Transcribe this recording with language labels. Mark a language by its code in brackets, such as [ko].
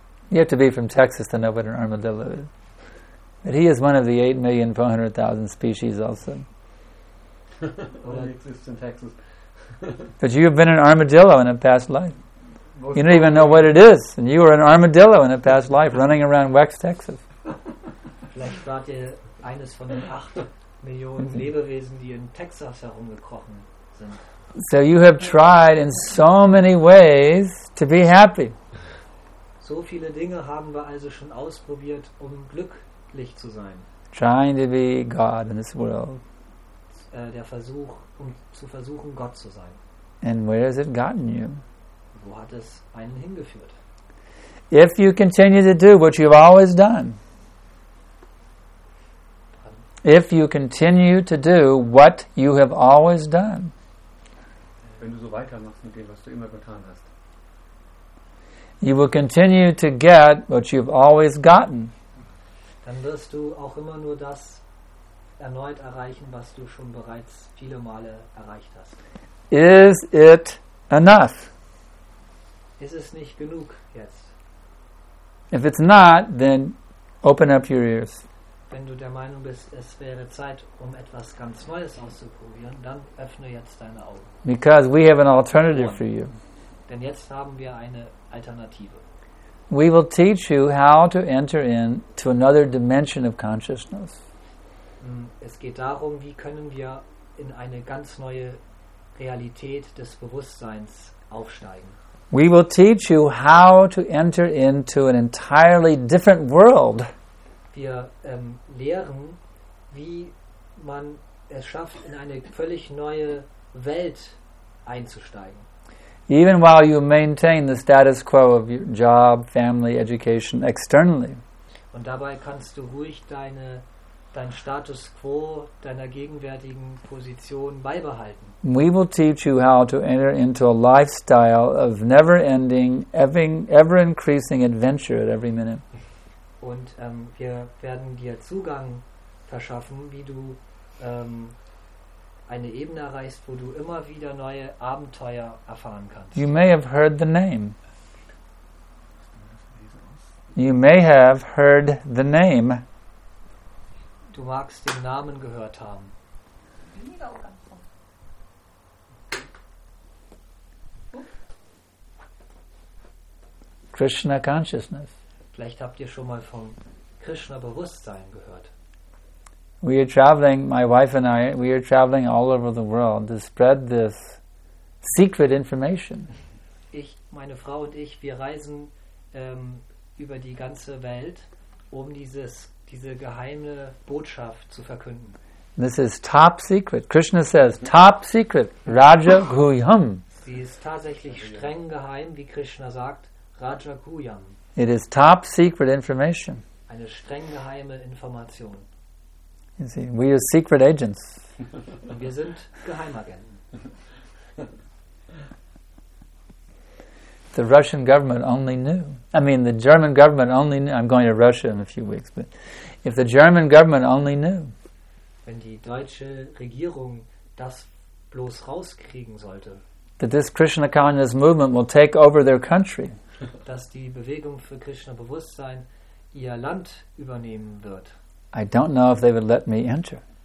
[en] You have to be from Texas to know what an armadillo is. But he is one of the 8,400,000 species also. Only exists in Texas. But you have been an armadillo in a past life. Most you don't even know what it is. And you were an armadillo in a past life running around Wax, Texas. [de] Vielleicht wart ihr eines von den 8 Millionen Lebewesen, die in Texas herumgekrochen sind. [en] So you have tried in so many ways to be happy. [de] So viele Dinge haben wir also schon ausprobiert, um glücklich zu sein. [en] Trying to be God in this world. [de] Der Versuch, um zu versuchen, Gott zu sein. [en] And where has it gotten you? [de] Wo hat es einen hingeführt? [en] If you continue to do what you've always done. If you continue to do what you have always done. [de] Wenn du so weitermachst mit dem, was du immer getan hast. [en] You will continue to get what you've always gotten. [de] Dann wirst du auch immer nur das erneut erreichen, was du schon bereits viele Male erreicht hast. [en] Is it enough? [de] Ist es nicht genug jetzt? [en] If it's not, then open up your ears. [de] Wenn du der Meinung bist, es wäre Zeit, um etwas ganz Neues auszuprobieren, dann öffne jetzt deine Augen. [en] Because we have an alternative for you. [de] Denn jetzt haben wir eine Alternative. [en] We will teach you how to enter in to another dimension of consciousness. [de] Es geht darum, wie können wir in eine ganz neue Realität des Bewusstseins aufsteigen. [en] We will teach you how to enter into an entirely different world. [de] Wir lehren, wie man es schafft, in eine völlig neue Welt einzusteigen. [en] Even while you maintain the status quo of your job, family, education externally. [de] Und dabei kannst du ruhig dein Status quo deiner gegenwärtigen Position beibehalten. [en] We will teach you how to enter into a lifestyle of never-ending, ever-increasing adventure at every minute. [de] Und wir werden dir Zugang verschaffen, wie du eine Ebene erreichst, wo du immer wieder neue Abenteuer erfahren kannst. [en] You may have heard the name. You may have heard the name. [de] Du magst den Namen gehört haben. [en] Krishna Consciousness. [de] Vielleicht habt ihr schon mal vom Krishna-Bewusstsein gehört. [en] We are traveling, my wife and I, we are traveling all over the world to spread this secret information. [de] Ich, meine Frau und ich, wir reisen über die ganze Welt, um diese geheime Botschaft zu verkünden. [en] This is top secret. Krishna says, top secret, Raja Guhyam. [de] Sie ist tatsächlich streng geheim, wie Krishna sagt, Raja Guhyam. [en] It is top secret information. [de] Eine streng geheime Information. [en] You see, we are secret agents. [de] Und wir sind Geheimagenten. [en] The Russian government only knew. I mean, the German government only knew. I'm going to Russia in a few weeks, but if the German government only knew. [de] Wenn die deutsche Regierung das bloß rauskriegen sollte. [en] That this Krishna consciousness movement will take over their country. [de] Dass die Bewegung für Krishna-Bewusstsein ihr Land übernehmen wird. [en] I don't know if they would let me enter.